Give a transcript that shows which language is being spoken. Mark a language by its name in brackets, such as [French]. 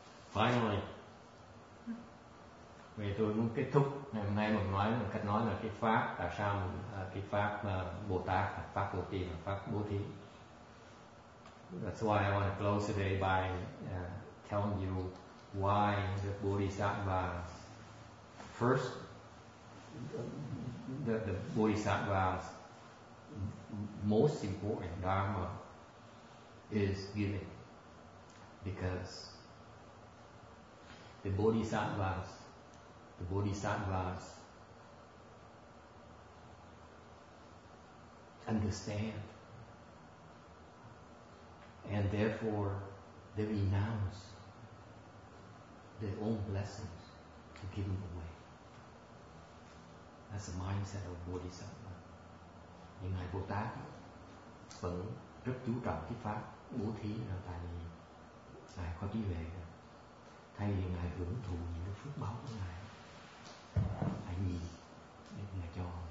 [Vietnamese] Finally, vì tôi muốn kết thúc ngày hôm nay mình nói một cách nói là cái pháp, tại sao cái pháp Bồ Tát, pháp Bồ Tát, pháp Bố Thí. [English] That's why I want to close today by telling you why the Bodhisattva first, the Bodhisattva's most important dharma is giving, because the Bodhisattvas understand. And therefore, they renounce their own blessings to give them away. That's the mindset of Bodhisattva. [Vietnamese] Nhưng Ngài Bồ Tát vẫn rất chú trọng cái pháp bố thí, là tại vì Ngài có trí huệ. Thay vì Ngài hưởng thụ những cái phước báo của Ngài, Ngài nhìn để Ngài cho.